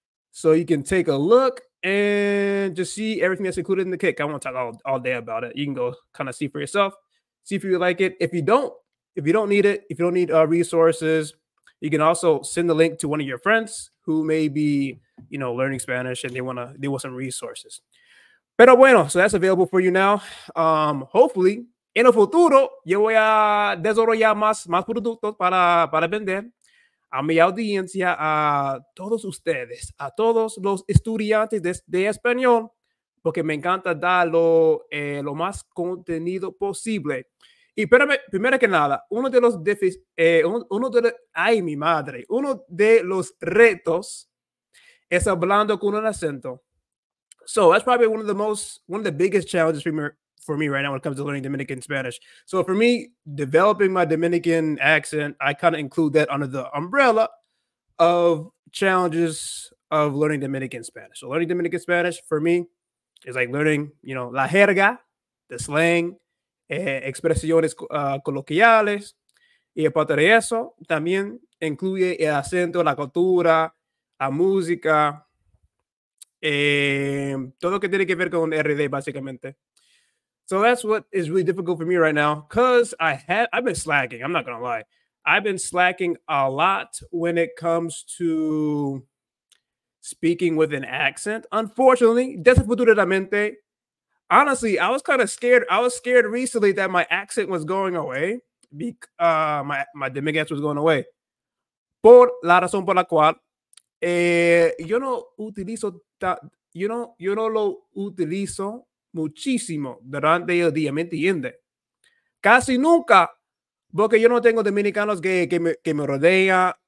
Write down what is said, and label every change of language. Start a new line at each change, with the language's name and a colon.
English: So you can take a look and just see everything that's included in the kick. I won't talk all day about it. You can go kind of see for yourself. See if you like it. If you don't need it, if you don't need resources, you can also send the link to one of your friends who may be, you know, learning Spanish and they want some resources.
Spanish: Pero bueno,
English: so that's available for you now.
Spanish: Hopefully, en el futuro, yo voy a desarrollar más productos para vender a mi audiencia, a todos ustedes, a todos los estudiantes de español, porque me encanta dar lo más contenido posible. Y espérame, primero que nada, uno de los retos es hablando con un acento.
English: So that's probably one of the biggest challenges for me right now when it comes to learning Dominican Spanish. So for me, developing my Dominican accent, I kind of include that under the umbrella of challenges of learning Dominican Spanish. So learning Dominican Spanish for me is like learning, you know,
Spanish: la jerga,
English: the slang,
Spanish: expresiones coloquiales, y aparte de eso, también incluye el acento, la cultura, la música, todo lo que tiene que ver con RD, básicamente.
English: So that's what is really difficult for me right now, because I've been slacking, I'm not going to lie. I've been slacking a lot when it comes to speaking with an accent, unfortunately. Desafortunadamente. Honestly, I was kind of scared. I was scared recently that my accent was going away. My Dominican accent was going away.
Spanish: Por la razón por la cual, yo no lo utilizo muchísimo durante el día, ¿me entiende? Casi nunca, porque yo no tengo dominicanos que me rodea.